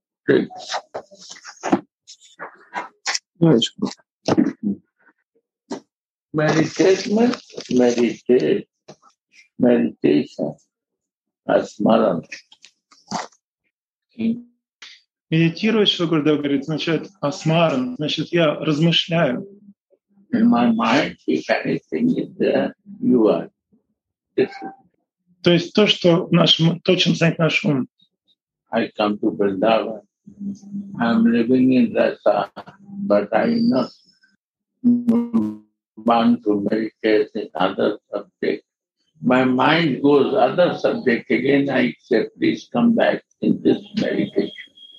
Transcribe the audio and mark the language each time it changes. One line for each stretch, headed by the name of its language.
English: Meditation. That's smaran.
Russian: Медитирую, что Гурдева говорит, означает асмаран, значит, я размышляю.
English: In my mind, if anything is there, you are.
Russian: То есть то, что нашим, то, чем занят наш ум.
English: I come to Vrindavan. I'm living in Rasa, but I'm not bound to meditate in other subjects. My mind goes other subject again. I say, please come back in this meditation.